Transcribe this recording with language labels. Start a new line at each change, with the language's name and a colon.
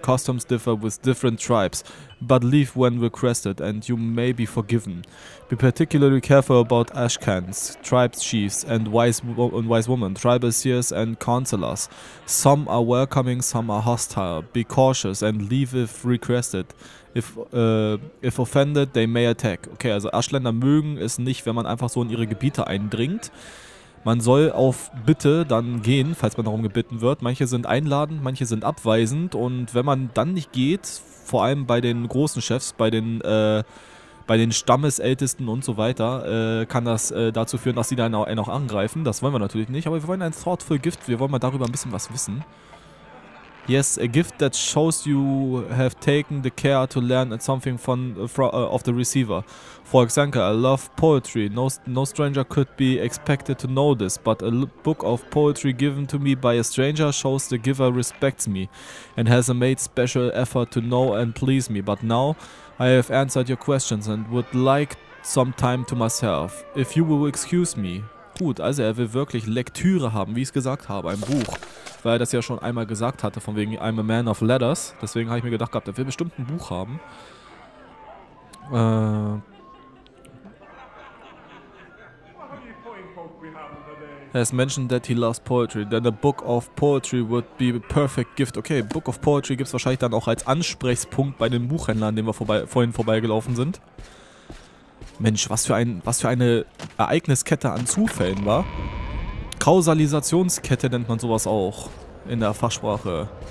English: Customs differ with different tribes, but leave when requested and you may be forgiven. Be particularly careful about Ashkans, tribes chiefs and wise women, tribal seers and counselors. Some are welcoming, some are hostile. Be cautious and leave if requested. If offended, they may attack.
German: Okay, also Ashländer mögen es nicht, wenn man einfach so in ihre Gebiete eindringt. Man soll auf Bitte dann gehen, falls man darum gebeten wird. Manche sind einladend, manche sind abweisend. Und wenn man dann nicht geht, vor allem bei den großen Chefs, bei den Stammesältesten und so weiter, kann das dazu führen, dass sie dann einen auch angreifen. Das wollen wir natürlich nicht, aber wir wollen ein Thoughtful Gift. Wir wollen mal darüber ein bisschen was wissen.
English: Yes, a gift that shows you have taken the care to learn something of the receiver. For example, I love poetry. No stranger could be expected to know this, but a book of poetry given to me by a stranger shows the giver respects me and has made special effort to know and please me. But now I have answered your questions and would like some time to myself. If you will excuse me.
German: Gut, also er will wirklich Lektüre haben, wie ich es gesagt habe, ein Buch. Weil er das ja schon einmal gesagt hatte, von wegen
English: I'm a man of letters.
German: Deswegen habe ich mir gedacht gehabt, er will bestimmt ein Buch haben.
English: Has mentioned that he loves poetry. Then a book of poetry would be a perfect gift.
German: Okay, book of poetry gibt es wahrscheinlich dann auch als Ansprechpunkt bei den Buchhändlern, an denen wir vorhin vorbeigelaufen sind. Mensch, was für eine Ereigniskette an Zufällen, war. Kausalisationskette nennt man sowas auch in der Fachsprache.